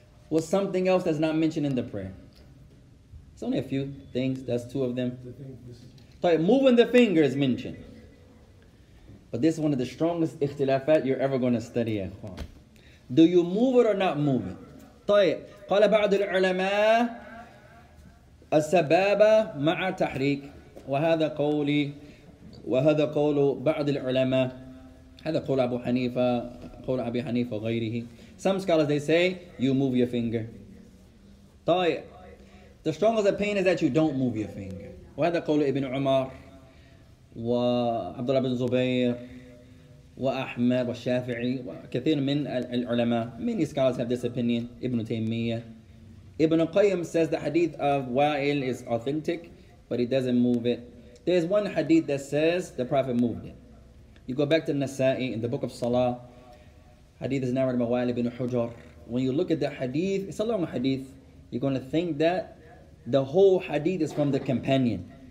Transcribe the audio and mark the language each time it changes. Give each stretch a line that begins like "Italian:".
English: Well, something else that's not mentioned in the prayer. It's only a few things, that's two of them. Moving the finger is mentioned. But this is one of the strongest ikhtilafat you're ever going to study. Do you move it or not move it? طيب.
Arabic: قال بعض العلماء السبابة مع تحريك وهذا قولي وهذا قول بعض العلماء هذا قول أبو حنيفة قول أبي حنيفة غيره.
English: Some scholars, they say you move your finger. طيب. The strongest opinion is that you don't move your finger.
Arabic: وهذا قول ابن عمر وعبد الله بن زبير وأحمد والشافعي وكثير من العلماء.
English: Many scholars have this opinion. Ibn Taymiyyah. Ibn Qayyim says the hadith of Wa'il is authentic, but he doesn't move it. There's one hadith that says the Prophet moved it. You go back to Nasa'i in the book of Salah. Hadith is narrated by Wa'il ibn Hujar. When you look at the hadith, it's a long hadith, you're going to think that the whole hadith is from the companion.